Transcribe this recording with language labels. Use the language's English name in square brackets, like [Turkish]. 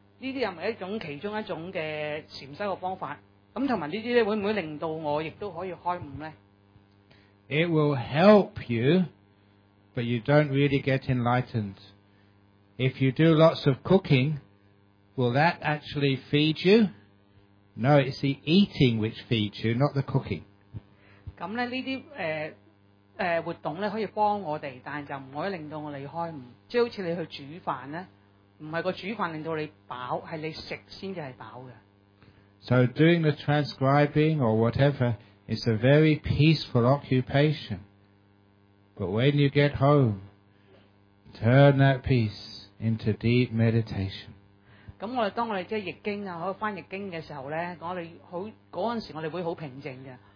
[Cantonese] 呢啲又咪一種其中一種嘅禅修嘅方法，咁同埋呢啲咧會唔會令到我亦都可以開悟咧 [English] ？It will help you, but you don't really get enlightened. If you do lots of cooking, will that actually feed you? No, it's the eating which feeds you, not the cooking. [Cantonese] 咁咧呢啲活動咧可以幫我哋，但係就唔可以令到我哋開悟，即係好似你去煮飯咧。唔係個煮飯令到你飽，係你食先至係飽嘅。 [English] So doing the transcribing or whatever is a very peaceful occupation. But when you get home, turn that peace into deep meditation. [Cantonese] 咁我哋當我哋即係譯經啊，翻譯經嘅時候咧，我哋好嗰陣時我哋會好平靜嘅。